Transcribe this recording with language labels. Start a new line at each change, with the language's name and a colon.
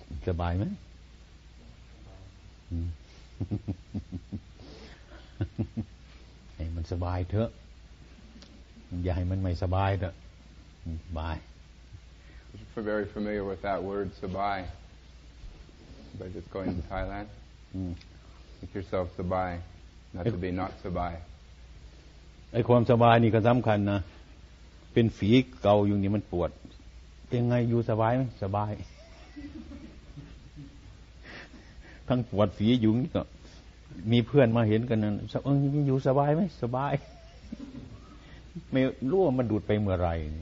Thai: สบายไหมไอ้มันสบายเถอะอย่าให้มันไม่สบายเถอะบาย
English: for very familiar with that word สบายBut just going to Thailand, make yourself sabai, not to be not sabai.
Thai: ไอ้ความสบายนี่ก็สำคัญนะเป็นฝีเกาอยู่นี่มันปวดยังไงอยู่สบายไหมสบายทั้งปวดฝีอยู่นี่ก็มีเพื่อนมาเห็นกันนั่นเอออยู่สบายไหมสบายไม่รู้ว่ามันดูดไปเมื่อไหร่